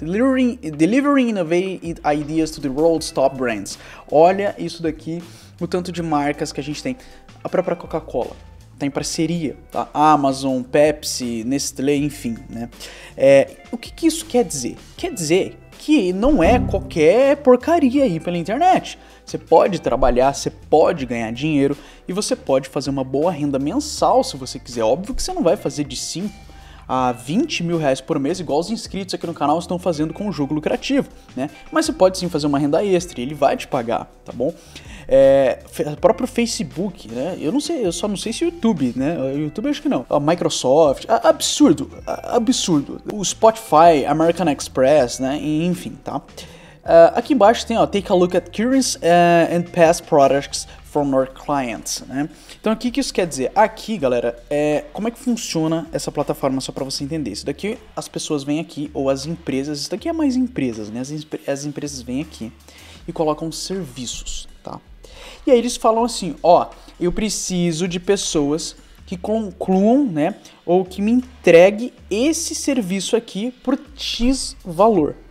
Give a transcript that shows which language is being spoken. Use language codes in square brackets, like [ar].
[en] Delivering innovative ideas to the world's top brands. [pt] Olha isso daqui, o tanto de marcas que a gente tem. A própria Coca-Cola tá em parceria, tá? Amazon, Pepsi, Nestlé, enfim, né? O que que isso quer dizer? Quer dizer que não é qualquer porcaria aí pela internet. Você pode trabalhar, você pode ganhar dinheiro e você pode fazer uma boa renda mensal se você quiser. Óbvio que você não vai fazer de 5 a 20 mil reais por mês, igual os inscritos aqui no canal estão fazendo com o jogo lucrativo, né? Mas você pode sim fazer uma renda extra e ele vai te pagar, tá bom? É, próprio Facebook, né? Eu não sei, eu só não sei se o YouTube, né? O YouTube acho que não. A Microsoft, absurdo, absurdo. O Spotify, American Express, né? Enfim, tá? Aqui embaixo tem, ó, [en] take a look at current and past products from our clients, [pt] né? Então, o que, que isso quer dizer? Aqui, galera, é como é que funciona essa plataforma, só pra você entender. Isso daqui, as pessoas vêm aqui, ou as empresas, isso daqui é mais empresas, né? As empresas vêm aqui e colocam serviços, tá? E aí eles falam assim, ó, eu preciso de pessoas que concluam, né, ou que me entregue esse serviço aqui por X valor.